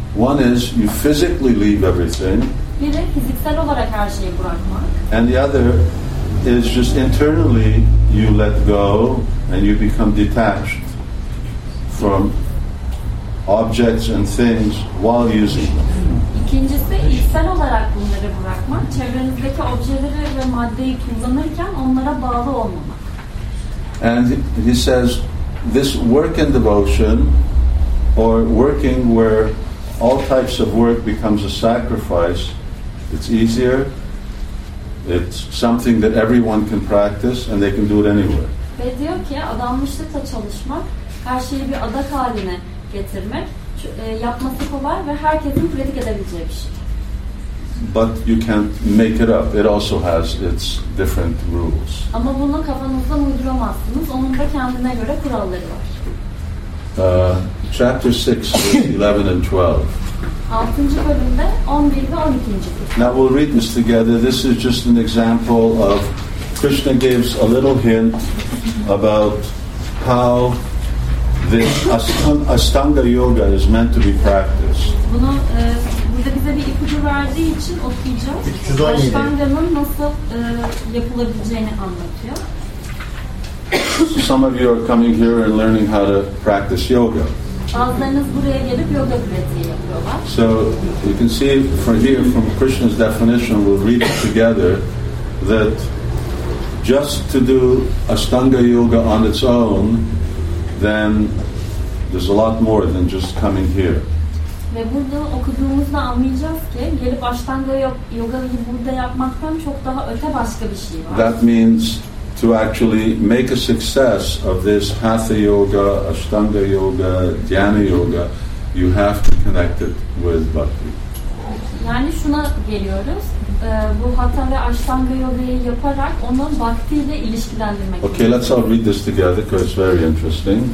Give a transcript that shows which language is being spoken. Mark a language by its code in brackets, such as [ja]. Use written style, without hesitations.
[en] One is you physically leave everything. [tr] Biri fiziksel olarak her şeyi bırakmak. [en] And the other is just internally you let go and you become detached from objects and things while using them. [tr] İkincisi, içsel olarak bunları bırakmak, çevrenizdeki objeleri ve maddeyi kullanırken onlara bağlı olmamak. [en] And he says, this work in devotion, or working where all types of work becomes a sacrifice, it's easier, it's something that everyone can practice, and they can do it anywhere. [tr] Ve diyor ki, adanmışlıkla çalışmak, her şeyi bir adak haline getirmek, yapması kolay ve herkesin pratik edebileceği bir şey. [en] But you can't make it up. It also has its different rules. [tr] Ama bunu kafanızdan uyduramazsınız. Onun da kendine göre kuralları var. [en] Chapter 6, 11 and 12. [tr] 6. bölümde 11 ve 12. [en] Now we'll read this together. This is just an example of Krishna gives a little hint about how this Astanga Yoga is meant to be practiced. [tr] Bunu burada bize bir ipucu verdiği için okuyacağız. Astanga'nın nasıl yapılabileceğini anlatıyor. [en] So some of you are coming here and learning how to practice yoga. [tr] Bazılarınız buraya gelip yoga pratiği yapıyorlar. [en] So you can see from here, from Krishna's definition, we'll read it together, that just to do Ashtanga yoga on its own, then there's a lot more than just coming here. [tr] Ve burada okuduğumuzda anlayacağız ki gelip Ashtanga yoga burada yapmaktan çok daha öte başka bir şey var. [en] That means to actually make a success of this Hatha Yoga, Ashtanga Yoga, Dhyana Yoga, you have to connect it with Bhakti. [tr] Yani şuna geliyoruz. Bu Hatha ve Ashtanga Yoga'yı yaparak onun Bhakti ile ilişkilendirmek. [en] Okay, let's all read this together because it's very interesting.